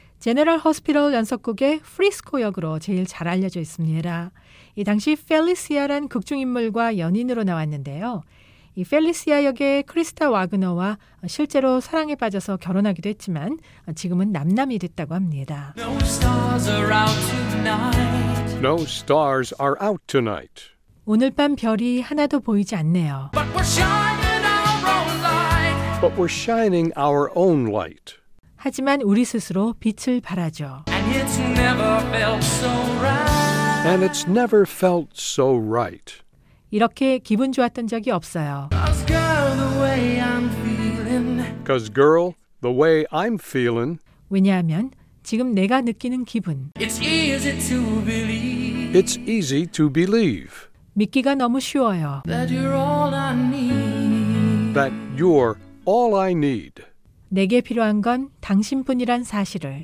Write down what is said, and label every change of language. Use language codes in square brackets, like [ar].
[ko] 제네럴 호스피털 연속극의 프리스코 역으로 제일 잘 알려져 있습니다. 이 당시 펠리시아란 극중인물과 연인으로 나왔는데요. 이 펠리시아 역의 크리스타 와그너와 실제로 사랑에 빠져서 결혼하기도 했지만 지금은 남남이 됐다고 합니다. [en] No stars are out tonight. No stars are out tonight. [ko] 오늘 밤 별이 하나도 보이지 않네요. [en] But we're shining our own light. But we're shining our own light. [ko] 하지만 우리 스스로 빛을 발하죠. [en] And it's never felt so right. And it's never felt so right. [ko] 이렇게 기분 좋았던 적이 없어요. [en] 'Cause girl, the way I'm feeling. 'Cause girl, the way I'm feeling. [ko] 왜냐하면 지금 내가 느끼는 기분. [en] It's easy to believe. It's easy to believe. [ko] 믿기가 너무 쉬워요. [en] That you're all I need. That you're all I need. [ko] 내게 필요한 건 당신뿐이란 사실을.